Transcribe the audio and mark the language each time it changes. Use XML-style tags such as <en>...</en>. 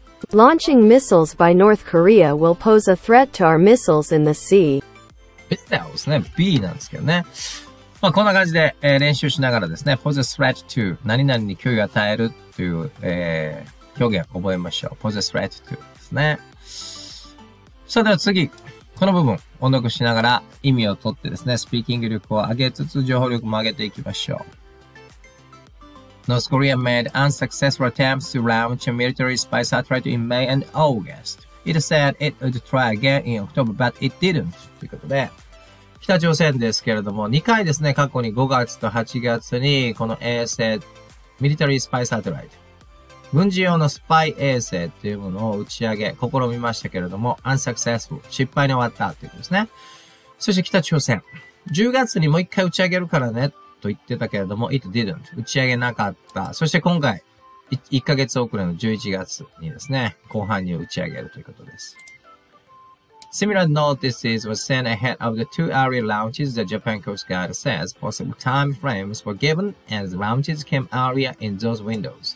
<en>Launching missiles by North Korea will pose a threat to our missiles in the sea.</en> <ja>ですね、B なんですけどね。まあ、こんな感じで、練習しながらですね、</ja> <en>pose a threat to</en> <ja>何々に脅威を与えるという、表現覚えましょう。</ja> <en>possess gratitude</en> <ja>ですね。さあでは次、この部分音読しながら意味をとってですね、スピーキング力を上げつつ情報力も上げていきましょう。</ja> <en>North Korea made unsuccessful attempts to launch a military spy satellite in May and August. It said it would try again in October, but it didn't.</en> <ja>ということで、北朝鮮ですけれども、2回ですね、過去に5月と8月に、この衛星、</ja> <en>military spy satellite、</en> <ja>軍事用のスパイ衛星っていうものを打ち上げ、試みましたけれども、unsuccessful、失敗に終わったということですね。そして北朝鮮、10月にもう1回打ち上げるからね、と言ってたけれども、</ja> <en>it didn't。</en> <ja>打ち上げなかった。そして今回、1ヶ月遅れの11月にですね、後半に打ち上げるということです。</ja> <en>Similar notices were sent ahead of the two early launches, the Japan Coast Guard says. Possible time frames were given as the launches came earlier in those windows.</en>